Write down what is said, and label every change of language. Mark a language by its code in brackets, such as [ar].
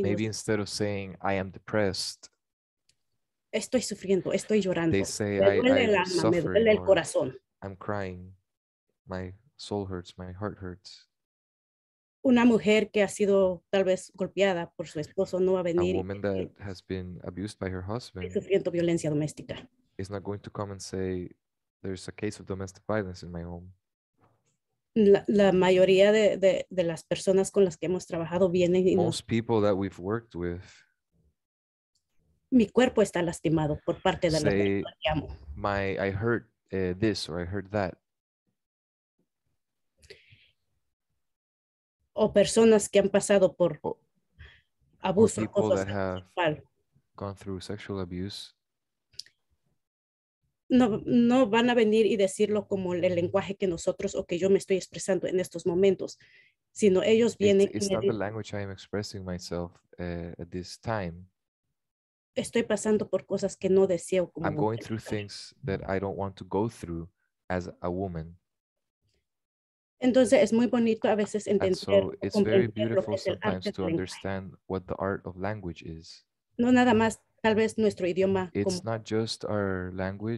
[en] maybe instead of saying I am depressed. [es] Estoy sufriendo, estoy llorando. [en] They say [es] me duele el corazón. [en] I'm crying. My soul hurts, my heart hurts. [es] Una mujer que ha sido tal vez golpeada por su esposo no va a venir. [en] A woman that has been abused by her husband. [es] Estoy sufriendo violencia doméstica. [en] Is not going to come and say there's a case of domestic violence in my home. [es] La mayoría de las personas con las que hemos trabajado vienen y [en] most people that we've worked with [es] mi cuerpo está lastimado por parte de [en] say, [es] la que amo. [en] My I heard this or I heard that [es] o personas que han pasado por abuso [en] or people that have gone through sexual abuse. [es] No van a venir y decirlo como el lenguaje que nosotros o que yo me estoy expresando en estos momentos, sino ellos vienen. [en] It's not the language I am expressing myself at this time. [es] Estoy pasando por cosas que no deseo como [en] I'm going through things that I don't want to go through as a woman. [es] Entonces es muy bonito a veces entender. [en] And so it's very beautiful sometimes to understand what the art of language is. [es] No nada más. Tal vez nuestro idioma. [en] It's como not just our language.